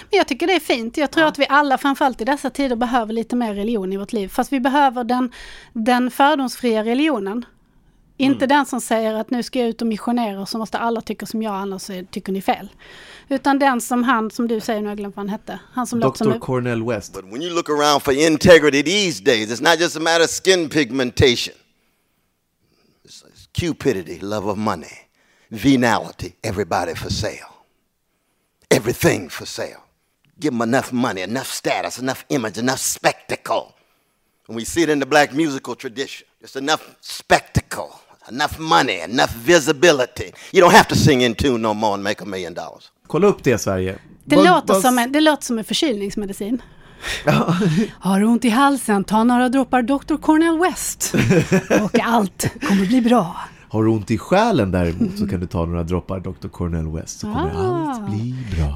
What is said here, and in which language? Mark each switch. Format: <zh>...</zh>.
<sv>Men jag tycker det är fint. Jag tror att vi alla, framförallt i dessa tider, behöver lite mer religion i vårt liv. Fast vi behöver den fördomsfria religionen. Inte den som säger att nu ska jag ut och missionera och så måste alla tycka som jag, annars tycker ni fel. Utan den som han, som du säger, nu har jag glömt vad han hette. Han som Dr. Som Cornel West.</sv> <en>But when you look around for integrity these days, it's not just a matter of skin pigmentation. It's cupidity, love of money, venality, everybody for sale. Everything for sale. Give them enough money, enough status, enough image, enough spectacle. And we see it in the black musical tradition. Just enough spectacle, enough money, enough visibility. You don't have to sing in tune no more and make $1 million.</en> <sv>Kolla upp det, Sverige. Det låter som en förkylningsmedicin. Har du ont i halsen, ta några droppar Dr. Cornel West. Och allt kommer bli bra. Har du ont i själen däremot så kan du ta några droppar Dr. Cornel West så kommer allt bli bra.</sv>